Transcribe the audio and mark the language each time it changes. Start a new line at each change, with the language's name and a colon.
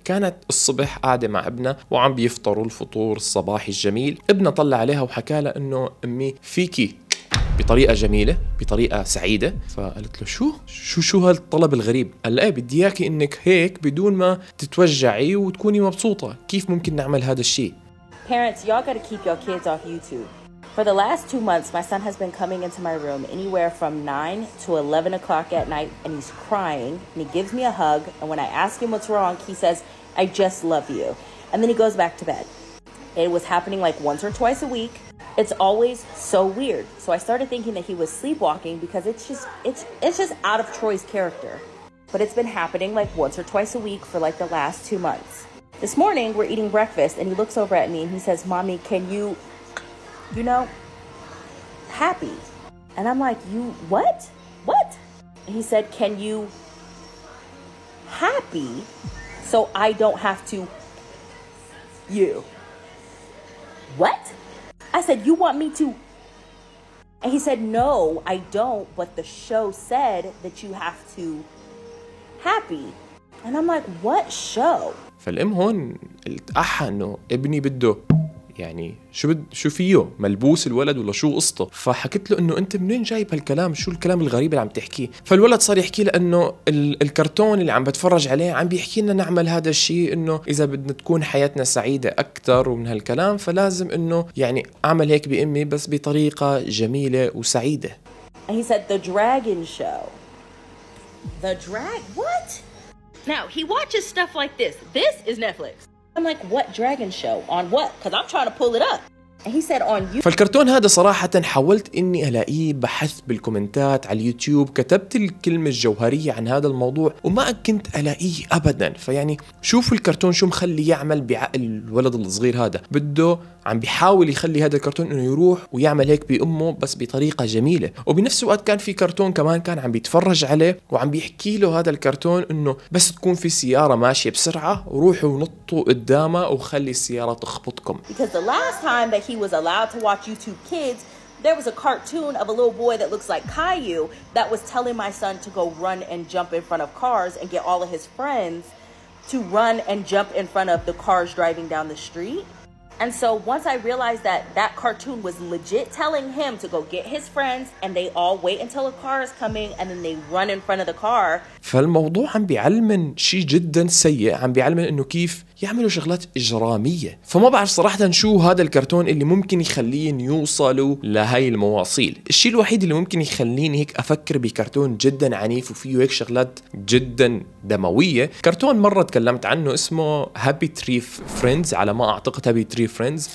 Arabic: كانت الصبح قاعدة مع ابنها وعم بيفطروا الفطور الصباحي الجميل، ابنها طلع عليها وحكى لها انه امي فيكي بطريقة جميلة بطريقة سعيدة. فقالت له شو هالطلب الغريب؟ قال لها بدي اياكي انك هيك بدون ما تتوجعي وتكوني مبسوطة، كيف ممكن نعمل هذا الشيء؟ Parents, y'all gotta keep your kids off YouTube.
English: For the last two months, my son has been coming into my room anywhere from 9 to 11 o'clock at night, and he's crying, and he gives me a hug, and when I ask him what's wrong, he says, I just love you. And then he goes back to bed. It was happening like once or twice a week. It's always so weird. So I started thinking that he was sleepwalking because it's just out of Troy's character. But it's been happening like once or twice a week for like the last two months. This morning, we're eating breakfast, and he looks over at me, and he says, Mommy, can you... You know, happy. And I'm like, you what? What? And he said, can you happy so I don't have to you? What? I said, you want me to? And he said, no, I don't. But the show said that you have to happy. And I'm like, what show?
Arabic: فالأم هون التقحى إنه ابني بده يعني شو فيه ملبوس الولد ولا شو قصته. فحكت له انه انت منين جايب هالكلام، شو الكلام الغريب اللي عم تحكيه. فالولد صار يحكي له انه الكرتون اللي عم بتفرج عليه عم بيحكي لنا نعمل هذا الشيء، انه اذا بدنا تكون حياتنا سعيده اكثر ومن هالكلام فلازم انه يعني اعمل هيك بامي بس بطريقه جميله وسعيده.
English: He said the dragon show. The drag what? Now he watches stuff like this. This is Netflix. I'm like, what dragon show? On what? Because I'm trying to pull it up. He said on you.
Arabic: فالكرتون هذا صراحة حاولت إني ألاقيه، بحثت بالكومنتات على اليوتيوب، كتبت الكلمة الجوهرية عن هذا الموضوع وما كنت ألاقيه أبدا. فيعني شوفوا الكرتون شو مخلي يعمل بعقل الولد الصغير هذا، بده عم بيحاول يخلي هذا الكرتون إنه يروح ويعمل هيك بأمه بس بطريقة جميلة. وبنفس الوقت كان في كرتون كمان كان عم بيتفرج عليه وعم بيحكي له هذا الكرتون إنه بس تكون في سيارة ماشية بسرعة روحوا ونطوا قدامه وخلي السيارة تخبطكم.
English: He was allowed to watch YouTube Kids. There was a cartoon of a little boy that looks like Caillou that was telling my son to go run and jump in front of cars and get all of his friends to run and jump in front of the cars driving down the street. And so once I realized that that cartoon was legit telling him to go get his friends and they all wait until a car is coming and then they run in front of the car.
Arabic: فالموضوع عم بيعلمن شيء جدا سيء، عم بيعلمن انه كيف يعملوا شغلات إجرامية. فما بعرف صراحة شو هذا الكرتون اللي ممكن يخليني يوصلوا لهاي المواصيل. الشيء الوحيد اللي ممكن يخليني هيك أفكر بكرتون جدا عنيف وفيه هيك شغلات جدا دموية كرتون مرة تكلمت عنه اسمه هابي تري فريندز، على ما أعتقد هابي تري فريندز.